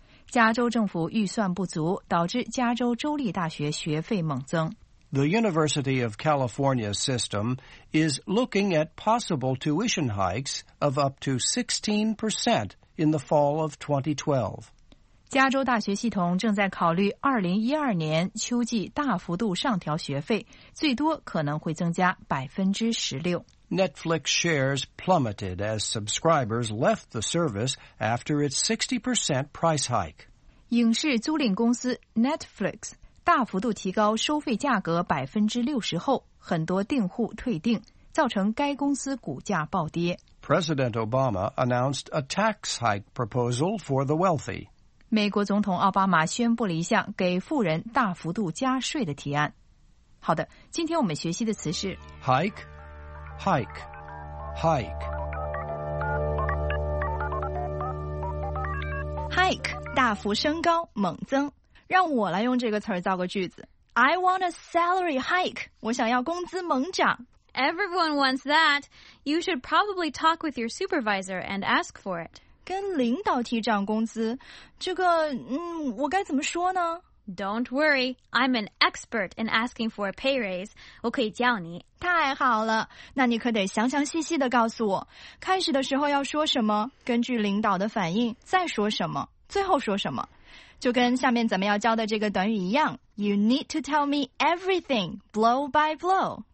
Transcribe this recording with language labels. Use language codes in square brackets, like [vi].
[zh] 加州政府预算不足，导致加州州立大学学费猛增。 [en] The University of California system is looking at possible tuition hikes of up to 16% in the fall of 2012. [zh] 加州大学系统正在考虑2012年秋季大幅度上调学费，最多可能会增加 16%。 [en] Netflix shares plummeted as subscribers left the service after its 60% price hike. [zh] 影视租赁公司 Netflix 大幅度提高收费价格60%后，很多订户退订，造成该公司股价暴跌。 [en] President Obama announced a tax hike proposal for the wealthy. [zh] 美国总统奥巴马宣布了一项给富人大幅度加税的提案。好的，今天我们学习的词是 [en] hike. Hike, hike. [zh] Hike, 大幅升高，猛增。让我来用这个词儿造个句子。 [en] I want a salary hike. [zh] 我想要工资猛涨。 [en] Everyone wants that. You should probably talk with your supervisor and ask for it. [zh] 跟领导提涨工资，这个，我该怎么说呢？ [en] Don't worry, I'm an expert in asking for a pay raise. [zh] 我可以教你。太好了，那你可得详详细细地告诉我，开始的时候要说什么，根据领导的反应再说什么，最后说什么。就跟下面咱们要教的这个短语一样， [en] You need to tell me everything, blow by blow.